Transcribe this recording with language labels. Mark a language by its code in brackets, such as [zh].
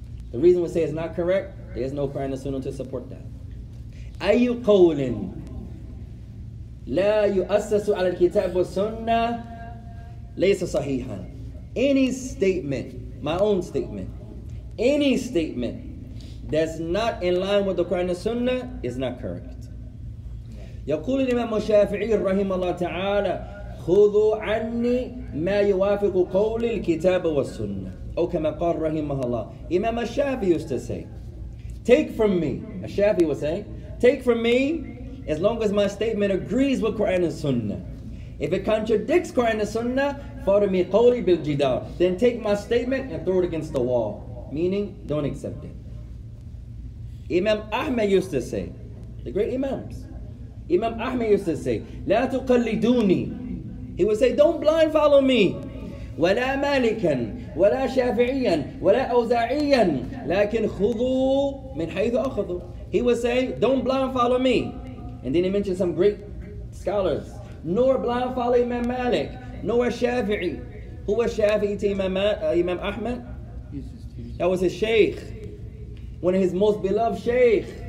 [en] The reason we say it's not correct, there is no Quran and Sunnah to support that. [ar] Ayu qawlin la yu'assasu ala al-kitab wa sunnah laysa sahihan. [en] Any statement, my own statement, any statement that's not in line with the Quran and Sunnah is not correct. [ar] يقول الإمام الشافعي رحمه الله تعالى خذوا عني ما يوافق قول الكتاب والسنة أو كما قال رحمه الله. [en] Imam al-Shafi used to say, take from me, al-Shafi was saying, take from me as long as my statement agrees with Quran and Sunnah. If it contradicts Quran and Sunnah, [ar] فارمي [en] me [ar] قولي بالجدار. [en] Then take my statement and throw it against the wall. Meaning, don't accept it. Imam Ahmed used to say, the great imams, Imam Ahmed used to say, [ar] لا تقلدوني. [en] He would say, don't blind follow me. [ar] ولا مالكا ولا شافعيا ولا أوزاعيا لكن خذوا من حيث أخذوا. [en] He would say, don't blind follow me. And then he mentioned some great scholars. Nor blind follow Imam Malik, nor Shafi'i. Who was Shafi'i to Imam Ahmed? That was his sheikh, one of his most beloved sheikh.